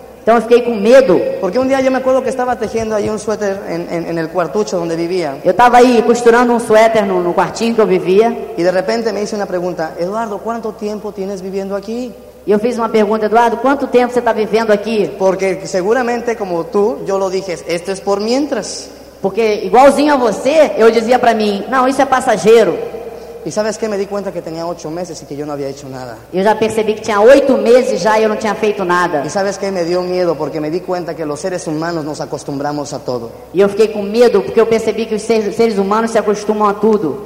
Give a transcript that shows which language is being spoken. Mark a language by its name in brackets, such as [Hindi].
[Portuguese] Então, eu fiquei com medo. Porque um dia eu [Spanish] me acuerdo [Portuguese] que estava tejendo aí um suéter [Spanish] en el cuartucho [Portuguese] onde vivia. Eu estava aí costurando um suéter no quartinho que eu vivia. E de repente [Spanish] me hice [Portuguese] uma pergunta: Eduardo, quanto tempo [Spanish] tienes viviendo aqui? [Portuguese] E eu fiz uma pergunta: Eduardo, quanto tempo você está vivendo aqui? Porque [Spanish] seguramente, como tu, eu lo dije: esto es por mientras. [Portuguese] Porque, igualzinho a você, eu dizia para mim: não, isso é passageiro. E sabes que [Spanish] me di cuenta [Portuguese] que tinha 8 meses e que eu não havia feito nada. Eu já percebi que tinha 8 meses já e eu não tinha feito nada. E sabes que me deu medo, porque [Spanish] me di cuenta [Portuguese] que os seres humanos [Spanish] nos acostumbramos a todo. [Portuguese] E eu fiquei com medo porque eu percebi que os seres humanos se acostumam a tudo.